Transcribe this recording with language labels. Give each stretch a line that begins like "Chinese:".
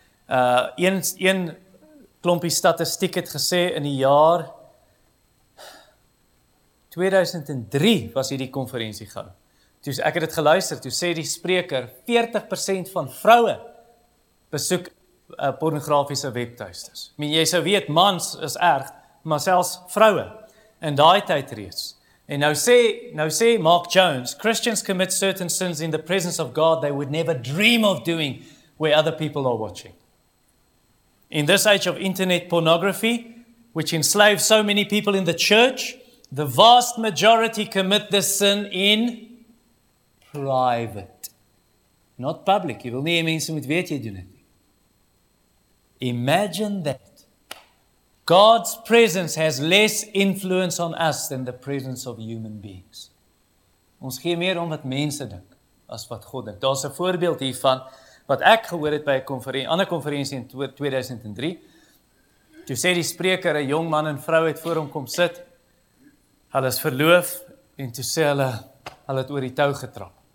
Afrikaans: Een klompie statistiek het gesê in die jaar 2003 was hierdie konferensie gehou. Toe ek het dit geluister, toe sê die spreker 40% van vroue besoek pornografiese webtuistes. Ek meen jy sou weet mans is erg, maar selfs vroue in daai tyd reeds. En nou sê
English: Mark Jones, Christians commit certain sins in the presence of God they would never dream of doing where other people are watching. In this age of internet pornography, which enslaves so many people in the church, the vast majority commit this sin in private. Not public.
Afrikaans: Jy wil nie mense moet weet jy doen dit nie.
English: Imagine that. God's presence has less influence on us than the presence of human beings.
Afrikaans: Ons gee meer om wat mense dink as wat God dink. Daar's 'n voorbeeld hiervan wat ek gehoor het by 'n ander konferensie in 2003. Toe sê die spreker 'n jong man en vrou het voor hom kom sit. Hulle is verloof en toe sê hulle het oor die tou getrap.